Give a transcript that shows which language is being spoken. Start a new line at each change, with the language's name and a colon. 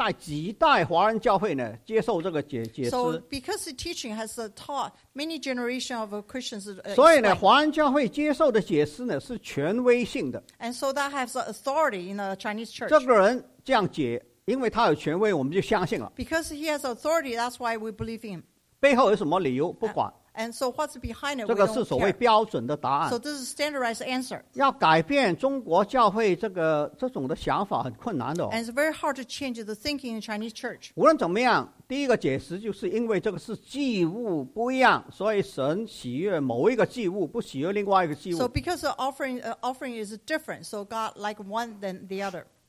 Chinese: 斯可夫圣经的教导就造成了整代一代几代华人教会呢接受这个解释。
English: So because the teaching has taught many generations of Christians.
Chinese: 所以呢，华人教会接受的解释呢是权威性的。
English: And so that has authority in the Chinese church.
Chinese: 这个人这样解，因为他有权威，我们就相信了。
English: Because he has authority, that's why we believe him.
Chinese: 背后有什么理由？不管。
English: And so what's behind it?
Chinese: 这个是所谓标准的答案。
English: So this is a standardized answer.
Chinese: 要改变中国教会这种的想法很困难的。
English: And it's very hard to change the thinking in the Chinese church.
Chinese: 无论怎么样，第一个解释就是因为这个是祭物不一样，所以神喜悦某一个祭物，不喜悦另外一个祭物。
English: So because the offering is different, so God like one than the other.